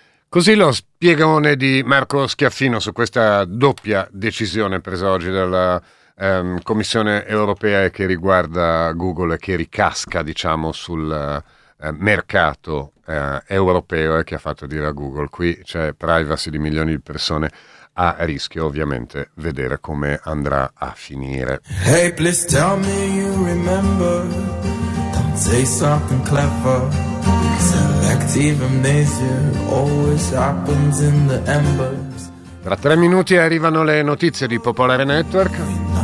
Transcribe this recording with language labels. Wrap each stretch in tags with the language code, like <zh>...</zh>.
<it>Così lo spiegone di Marco Schiaffino su questa doppia decisione presa oggi dalla Commissione europea che riguarda Google, che ricasca, diciamo, sul mercato europeo, e che ha fatto dire a Google: qui c'è privacy di milioni di persone a rischio, ovviamente vedere come andrà a finire.</it> <en>Hey, please tell me you remember. Don't say something clever. Selective amnesia always happens in the embers.</en> <it>Tra tre minuti arrivano le notizie di Popolare Network.</it>